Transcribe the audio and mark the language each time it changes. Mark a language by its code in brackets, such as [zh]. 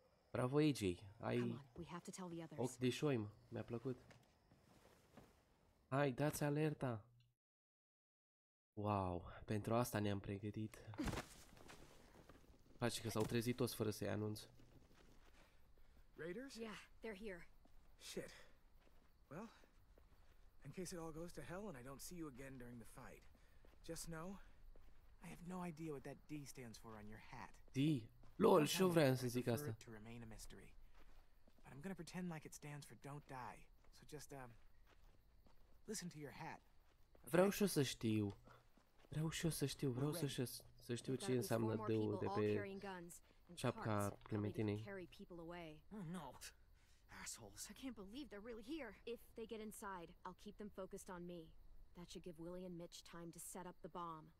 [ro] Bravo, AJ, ai ochi de șoim, mi-a plăcut. Hai, dați alerta. Wow, pentru asta ne-am pregătit. Face că s-au trezit toți fără să-i anunț. [en] Raiders? Yeah, they're here. Shit. Well, in case it all goes to hell and I don't see you again during the fight, just know, I have no idea what that D stands for on your hat. D? [ro] Lol, și eu vreau să zic asta. [en] To remain a mystery. But I'm gonna pretend like it stands for don't die. So just listen to your hat. [ro] Okay? Vreau și eu să știu. Vreau și eu să știu. Vreau să știu, să știu ce înseamnă D-ul de pe șapca Clementinei. [en] Oh no. Assholes. I can't believe they're really here. If they get inside, I'll keep them focused on me. That should give Willie and Mitch time to set up the bomb.